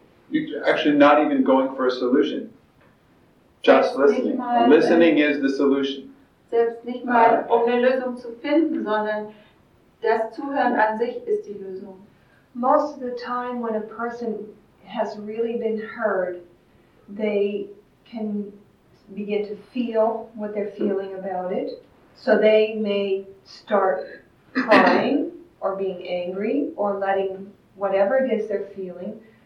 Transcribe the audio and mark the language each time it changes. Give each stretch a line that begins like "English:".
English: You're actually not even going for a solution. Just listening. Listening is the solution.
German: Selbst nicht mal, um eine Lösung zu finden, sondern das Zuhören an sich ist die Lösung.
English: Most of the time when a person has really been heard, they can begin to feel what they're feeling about it. So they may start crying or being angry or letting whatever it is they're feeling.